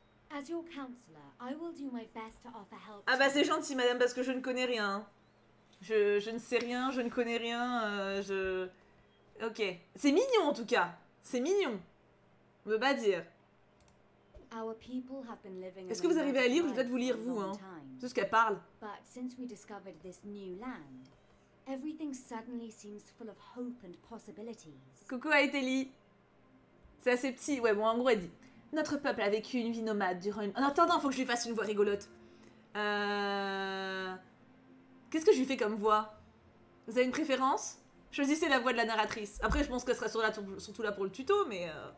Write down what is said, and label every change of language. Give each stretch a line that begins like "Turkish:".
English: As your counselor, I will do my best to offer help.
French: Ah bah c'est gentil madame, parce que je ne connais rien. Je ne sais rien, je ne connais rien, je... Ok. C'est mignon en tout cas. C'est mignon. On veut pas dire.
English: Our people have been living.
French: Est-ce que vous arrivez à lire ou je dois vous lire vous, hein? C'est ce qu'elle parle.
English: But since we discovered this new land, everything suddenly seems full of hope and possibilities.
French: Coucou Aethely. C'est assez petit. Ouais bon, en gros elle dit... Notre peuple a vécu une vie nomade durant une... En attendant, faut que je lui fasse une voix rigolote. Qu'est-ce que je lui fais comme voix? Vous avez une préférence? Choisissez la voix de la narratrice. Après, je pense qu'elle sera surtout là pour le tuto, mais...